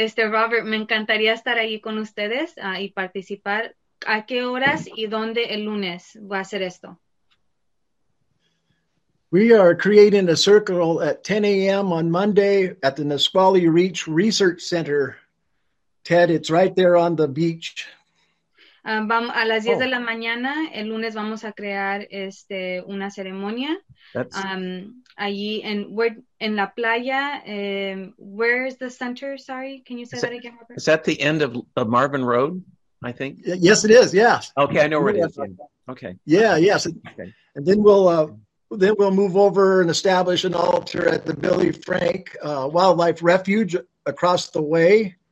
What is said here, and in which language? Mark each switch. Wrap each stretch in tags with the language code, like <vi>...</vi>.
<es>Robert, me encantaría estar ahí con ustedes y participar. ¿A qué horas y dónde el lunes va a ser esto?</es> <en>We are creating a circle at 10 a.m. on Monday at the Nisqually Reach Research Center. Ted, it's right there on the beach.</en> <es>Vamos a las 10 de la mañana el lunes vamos a crear una ceremonia allí en la playa.</es> <en>Where is the center? Sorry, can you say that again, Robert? Is that the end of Marvin Road? I think. Yes, it is. Yeah. Okay, I know where it is. Okay. Yeah. Yes. Okay. And then we'll move over and establish an altar at the Billy Frank Wildlife Refuge across the way.</en>